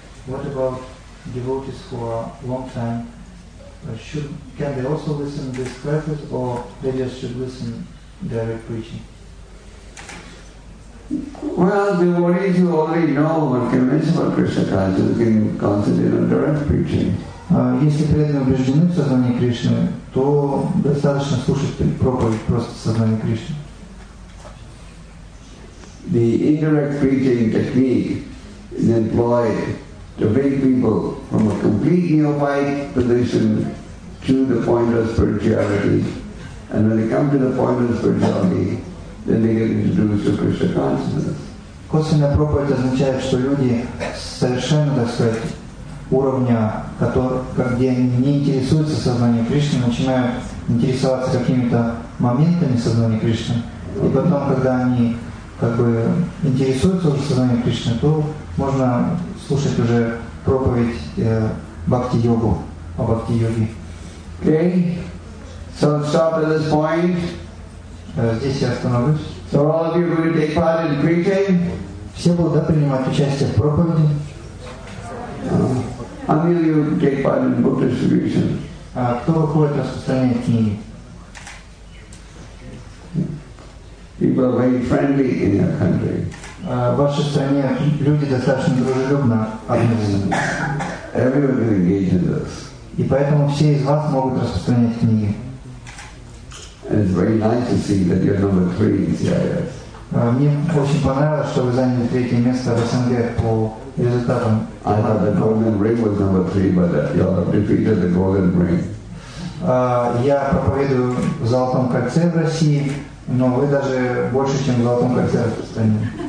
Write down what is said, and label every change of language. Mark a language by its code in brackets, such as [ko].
[en] What about devotees who are long time? Can they also listen to this practice, or they just should listen direct preaching? Well, devotees who already know what conventional Krishna consciousness can concentrate on direct preaching. [ru] Если преданные убеждены в сознании Кришны, то достаточно слушать проповедь просто сознания Кришны. [en] The indirect preaching technique is employed to bring people from a completely avoided position to the point of spirituality. And when they come to the point of spirituality, then they get introduced to Krishna consciousness. [ru] Косвенная проповедь означает, что люди совершенно, так сказать, уровня, где они не интересуются сознанием Кришны, начинают интересоваться какими-то моментами сознания Кришны. И потом, когда они интересуются уже сознанием Кришны, то можно слушать уже проповедь Бхакти-йогу, о Бхакти-йоге. [en] Okay. So stop at this point. [ru] Здесь я остановлюсь. [en] So all of you who will take part in preaching. [ru] Все будут, да, принимать участие в проповеди. [en] How many of you take part in book distribution? [ru] Кто выходит распространять книги? [en] People are very friendly in your country. [ru] В вашей стране люди достаточно дружелюбно относятся. [en] Everyone can engage in this. [ru] И поэтому все из вас могут распространять книги. [en] And it's very nice to see that you're number 3 in CIS. [ru] Мне очень понравилось, что вы заняли третье место в СНГ по результатам. [en] I thought the Golden Ring was number 3, but that you all have defeated the Golden Ring. [ru] Я проповедую в Золотом кольце в России, но вы даже больше, чем в Золотом кольце в стране.